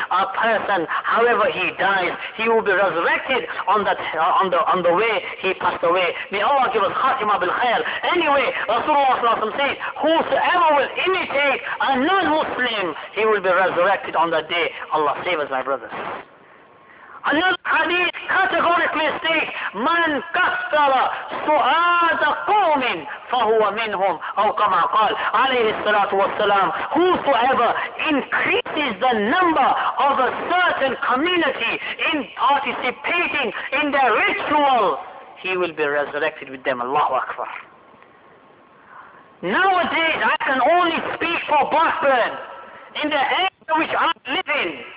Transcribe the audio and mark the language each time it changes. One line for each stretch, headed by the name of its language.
English: A person, however he dies, he will be resurrected on the way he passed away. May Allah give us khatimah bil khair. Anyway, Rasulullah said, whosoever will imitate a non-Muslim, he will be resurrected on that day. Allah save us, my brothers. Another hadith categorically states,
Arabic: مَنْ كَثَّرَ سُعَادَ قَوْمٍ فَهُوَ مِنْهُمْ أَوْ كَمَا قَالْ عَلَيْهِ السَّلَاةُ وَالسَّلَامُ.
English: Whosoever increases the number of a certain community in participating in their ritual, he will be resurrected with them. Allahu Akbar. Nowadays, I can only speak for Blackburn, in the area which I live in.